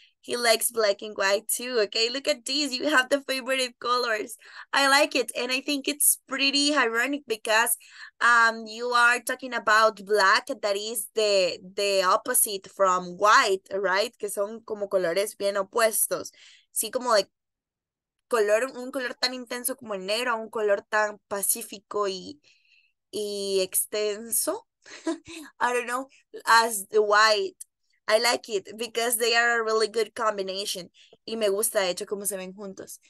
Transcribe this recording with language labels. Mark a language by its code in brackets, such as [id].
[en] He likes black and white too. Okay, look at these. You have the favorite colors. I like it, and I think it's pretty ironic because you are talking about black, that is the opposite from white, right? [es] Que son como colores bien opuestos. Sí, como de color, un color tan intenso como el negro, un color tan pacífico y y extenso. [en] I don't know, as the white. I like it because they are a really good combination. [es] Y me gusta, de hecho, cómo se ven juntos.